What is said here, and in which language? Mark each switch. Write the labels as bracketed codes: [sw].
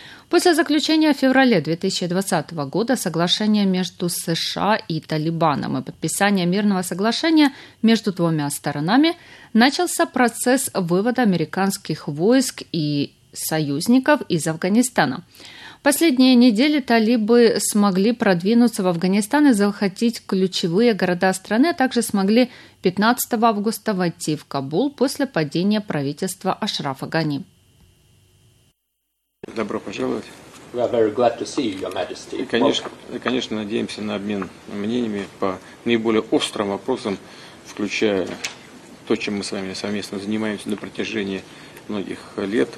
[ru] После заключения в феврале 2020 года соглашения между США и Талибаном и подписания мирного соглашения между двумя сторонами начался процесс вывода американских войск и союзников из Афганистана. Последние недели талибы смогли продвинуться в Афганистан и захватить ключевые города страны, а также смогли 15 августа войти в Кабул после падения правительства Ашрафа Гани. Добро пожаловать. [en] We are very glad to see you, Your Majesty. [ru] Конечно, надеемся на обмен мнениями по наиболее острым вопросам, включая то, чем мы с вами совместно занимаемся на протяжении многих лет.